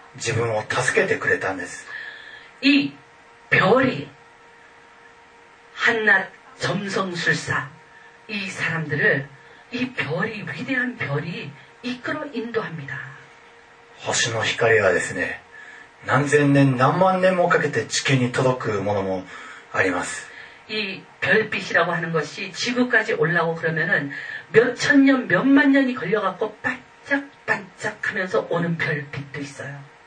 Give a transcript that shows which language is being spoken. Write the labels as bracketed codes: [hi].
[ja] なんと星がですね、この博士たち個人的に博士たちを導くために彼らを先導して星の側が自分を助けてくれたんです。이 [ko] 별이 한낱 점성술사 이 사람들을 이 별이 위대한 별이 이끌어 인도합니다. [ja] 星の光はですね、何千年何万年もかけて地球に届くものも あります. [ko] 이 별빛이라고 하는 것이 지구까지 올라오고 그러면은 몇천 년, 몇만 년이 걸려갖고 반짝반짝 하면서 오는 별빛도 있어요.